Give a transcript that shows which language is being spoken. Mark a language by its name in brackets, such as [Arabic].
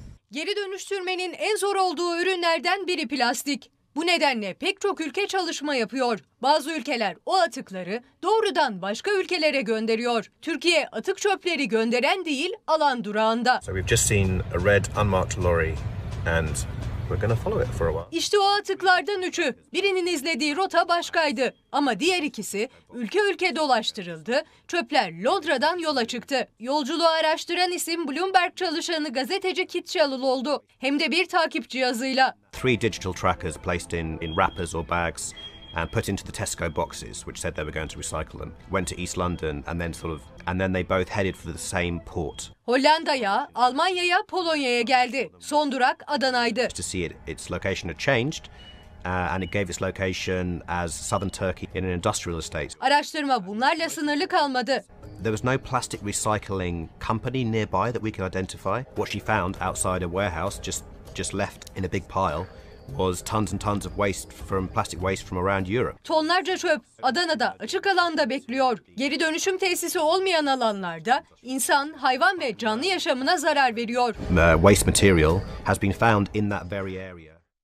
[Turkish] Geri dönüştürmenin en zor olduğu ürünlerden biri plastik. Bu nedenle pek çok ülke çalışma yapıyor. Bazı ülkeler o atıkları doğrudan başka ülkelere gönderiyor. Türkiye atık çöpleri gönderen değil, alan durağında. [English] So we've just seen a red unmarked lorry and we're going to follow it for a while. [Turkish] İşte o atıklardan üçü. Birinin izlediği rota başkaydı. Ama diğer ikisi ülke ülke dolaştırıldı. Çöpler Londra'dan yola çıktı. Yolculuğu araştıran isim Bloomberg çalışanı gazeteci Kit Çalıl oldu. Hem de bir takip cihazıyla. [English] Three digital trackers placed in wrappers or bags and put into the Tesco boxes which said they were going to recycle them. Went to East London and then sort of and then they both headed for the same port. [Turkish] Hollanda'ya, Almanya'ya, Polonya'ya geldi. Son durak Adana'ydı. [English] To see it, its location had changed and it gave its location as southern Turkey in an industrial estate. [Turkish] Araştırma bunlarla sınırlı kalmadı. [English] There was no plastic recycling company nearby that we could identify. What she found outside a warehouse just left in a big pile was tons and tons of waste from plastic waste from around Europe. [Turkish] Tonlarca çöp Adana'da açık alanda bekliyor. Geri dönüşüm tesisi olmayan alanlarda insan, hayvan ve canlı yaşamına zarar veriyor. [English] Waste material has been found in that very area.